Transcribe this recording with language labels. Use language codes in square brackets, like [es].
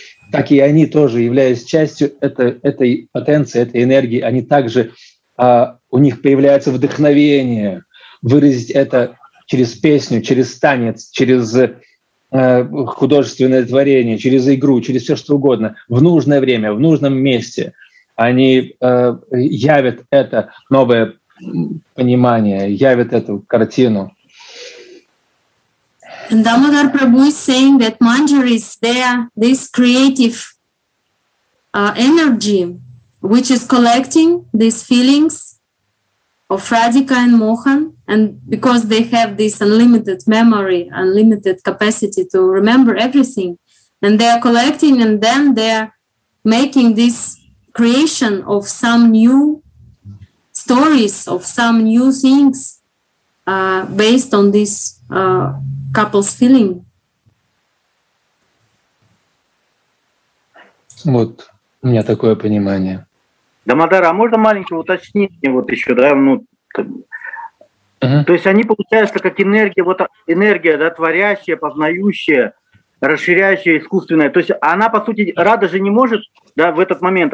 [ru] Так и они тоже, являясь частью этой потенции, этой энергии, они также, у них появляется вдохновение выразить это через песню, через танец, через художественное творение, через игру, через все что угодно, в нужное время, в нужном месте. Они явят это новое понимание, явят эту картину. [en] And Damodar Prabhu is saying that manjaris, they are this creative energy, which is collecting these feelings of Radhika and Mohan, and because they have this unlimited memory, unlimited capacity to remember everything, and they are collecting, and then they are making this creation of some new stories, of some new things, based on this couple's feeling. [ru] Вот у меня такое понимание. Дамодар, а можно маленькое уточнение вот еще, да, ну, то есть они получаются как энергия, вот энергия, да, творящая, познающая, расширяющая, искусственная. То есть она, по сути, рада же не может, да, в этот момент.